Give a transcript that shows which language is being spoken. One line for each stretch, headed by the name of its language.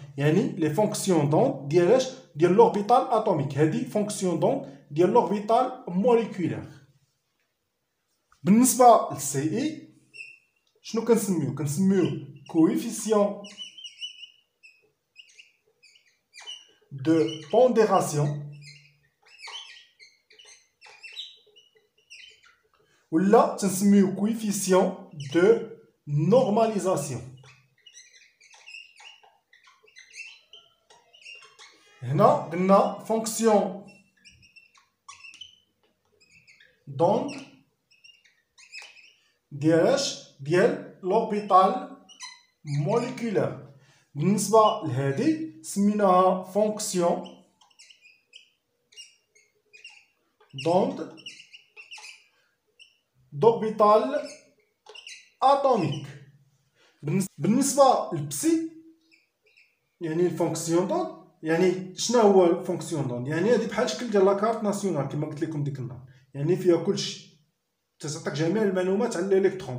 French: Yani les fonctions donc d'ailleurs de l'orbital atomique. Hadi fonction donc de l'orbital moléculaire.
Arabic: بالنسبة لCI شنو كنسميو؟ كنسميو coefficient
French: de pondération ou là c'est un coefficient de normalisation. Maintenant, on a fonction d'onde de l'orbital moléculaire.
Arabic: بالنسبة لهذه سميناها
French: فونكسيون دوند دوربيتال اتوميك.
Arabic: بالنسبة للبسي يعني الفونكسيون دوند يعني شنو هو الفونكسيون دوند يعني هذه بحال شكل ديال
French: لاكارت ناسيونال
Arabic: كما قلت لكم ديك النهار يعني فيها كلشي تعطيك جميع المعلومات على الالكترون.